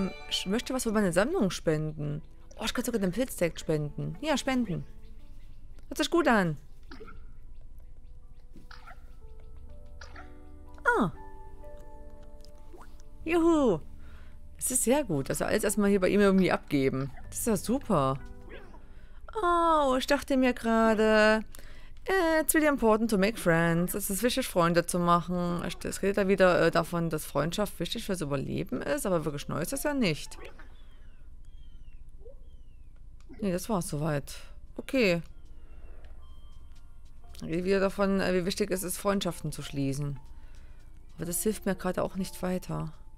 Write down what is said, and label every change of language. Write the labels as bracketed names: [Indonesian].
[German] Ich möchte was für meine Sammlung spenden. Oh, ich kann sogar den Pilzdeck spenden. Ja, spenden. Hört sich gut an. Ah. Juhu. Das ist sehr gut, dass wir alles erstmal hier bei ihm irgendwie abgeben. Das ist ja super. Oh, ich dachte mir gerade, [English] it's really important to make friends. [German] Es ist wichtig, Freunde zu machen. Es redet da wieder davon, dass Freundschaft wichtig fürs Überleben ist, aber wirklich neu ist das ja nicht. Nee, das war's soweit. Okay. Redet wieder davon, wie wichtig es ist, Freundschaften zu schließen. Aber das hilft mir gerade auch nicht weiter.